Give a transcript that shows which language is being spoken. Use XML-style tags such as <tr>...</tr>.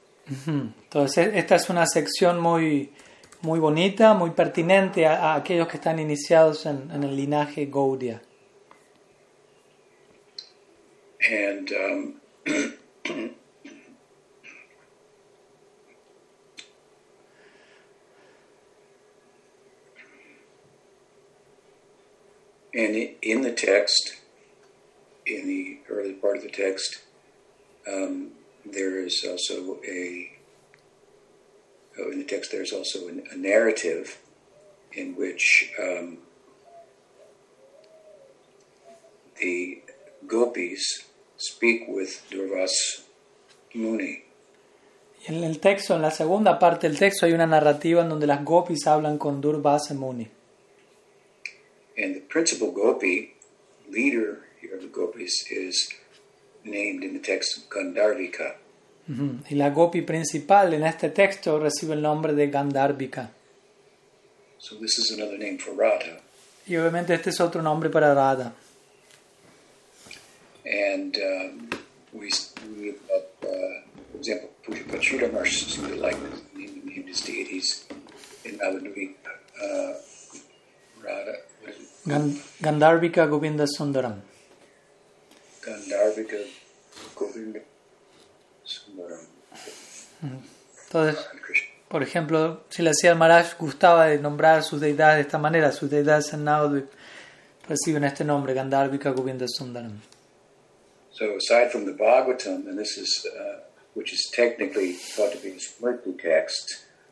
<es>Entonces, esta es una sección muy, muy bonita, muy pertinente a aquellos que están iniciados en el linaje Gaudiya.</es> <en>And and in the text, in the early part of the text, there is also a narrative in which the gopis speak with Durvas Muni.</en> <es>En el texto, en la segunda parte del texto, hay una narrativa en donde las gopis hablan con Durvas Muni.</es> <en>And the principal gopi, leader here of the gopis, is named in the text Gandharvika.</en> <es>Y la gopi principal en este texto recibe el nombre de Gandharvika.</es> <en>So this is another name for Radha.</en> <es>Y obviamente este es otro nombre para Radha.</es> <en>And for example, Pujapati Sridharmarsh seemed to like this, named his deities in Navadvipa, Radha, what is it? Gandharvika Govinda Sundaram. Gandharvika Govinda Sundaram.</en> <es>Entonces, por ejemplo, si le hacía Maharaj, gustaba de nombrar sus deidades de esta manera, sus deidades en Navadvip reciben este nombre, Gandharvika Govinda Sundaram.</es> <en>So aside from the Bhagavatam, and this is which is technically thought to be a Smriti text.</en>